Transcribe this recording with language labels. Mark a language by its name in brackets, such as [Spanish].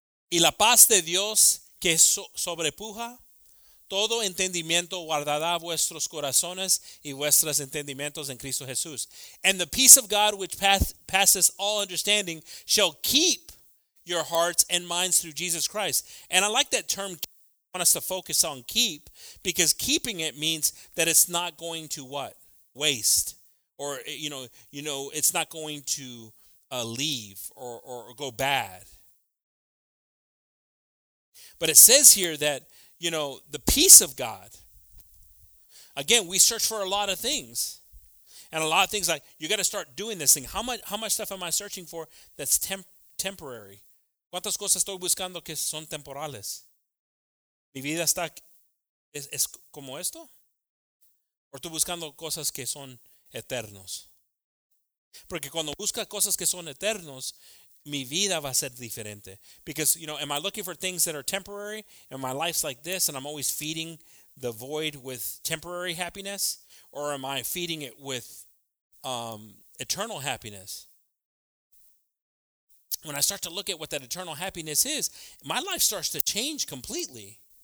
[Spanish] Y la paz de Dios que sobrepuja todo entendimiento guardará vuestros corazones y vuestros entendimientos en Cristo Jesús. [English] And the peace of God which passes all understanding shall keep your hearts and minds through Jesus Christ. And I like that term. I want us to focus on keep, because keeping it means that it's not going to what? Waste. Or, you know, it's not going to leave or go bad. But it says here that, you know, the peace of God. Again, we search for a lot of things. And a lot of things, like, you got to start doing this thing. How much stuff am I searching for that's temporary? [Spanish] ¿Cuántas cosas estoy buscando que son temporales? ¿Mi vida está es como esto? ¿O estoy buscando cosas que son eternos? Porque cuando busca cosas que son eternos, mi vida va a ser diferente. [English] Because, you know, am I looking for things that are temporary and my life's like this and I'm always feeding the void with temporary happiness? Or am I feeding it with eternal happiness? When I start to look at what that eternal happiness is, my life starts to change completely.